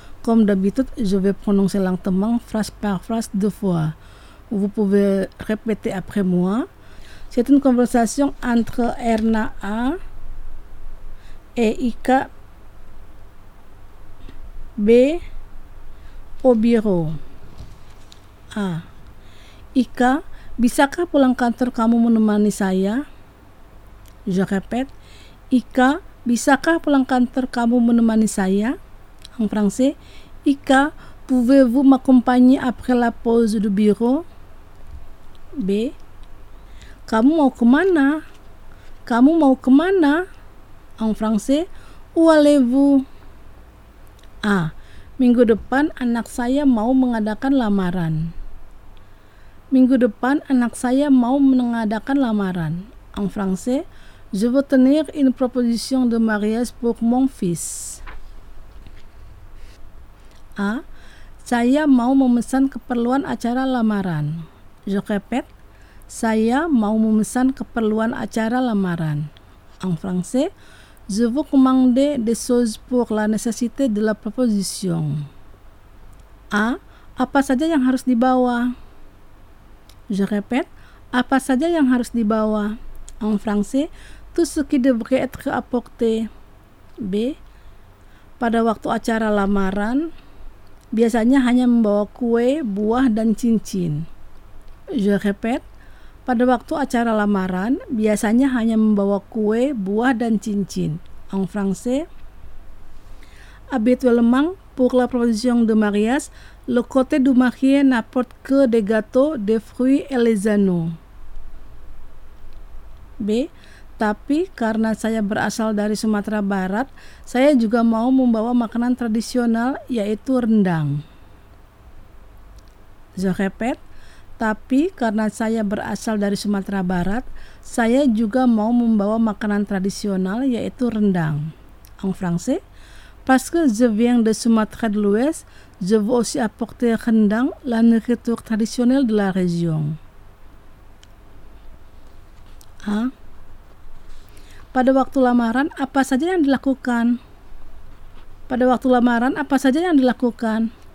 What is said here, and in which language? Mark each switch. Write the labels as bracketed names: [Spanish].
[French] Comme d'habitude, je vais prononcer lentement phrase par phrase deux fois. Vous pouvez répéter après moi. C'est une conversation entre Erna A et Ika B au bureau. A. [Indonesian] Ika, bisakah pulang kantor kamu menemani saya? [French] Je répète. [Indonesian] Ika, bisakah pulang kantor kamu menemani saya? [French] En français, Ika, pouvez-vous m'accompagner après la pause du bureau? B. [Indonesian] Kamu mau kemana? Kamu mau kemana? [French] En français, où allez-vous? A. [Indonesian] Minggu depan anak saya mau mengadakan lamaran. Minggu depan anak saya mau mengadakan lamaran. [French] En français, je veux tenir une proposition de mariage pour mon fils. [Indonesian] A. Saya mau memesan keperluan acara lamaran. [French] Je répète. [Indonesian] Saya mau memesan keperluan acara lamaran. [French] En français, je veux commander des choses pour la nécessité de la proposition. A. [Indonesian] Apa saja yang harus dibawa? [French] Je répète, [Indonesian] apa saja yang harus dibawa? [French] En français, tout ce qui devrait être apporté. B. [Indonesian] pada waktu acara lamaran, biasanya hanya membawa kue, buah, dan cincin. [French] Je répète, [Indonesian] pada waktu acara lamaran, biasanya hanya membawa kue, buah, dan cincin. [French] En français, habituellement, pour la provision de mariage, le côté du marié n'apporte que des gâteaux, des fruits et les anneaux. B. [Indonesian] Tapi karena saya berasal dari Sumatera Barat, saya juga mau membawa makanan tradisional, yaitu rendang. [French] Je répète, [Indonesian] tapi karena saya berasal dari Sumatera Barat, saya juga mau membawa makanan tradisional, yaitu rendang. [French] En français, parce que je viens de Sumatra de l'Ouest, je veux aussi apporter rendang, la nourriture traditionnelle de la région. [Indonesian] Pada waktu lamaran, apa saja yang dilakukan? Pada waktu lamaran, apa saja yang dilakukan?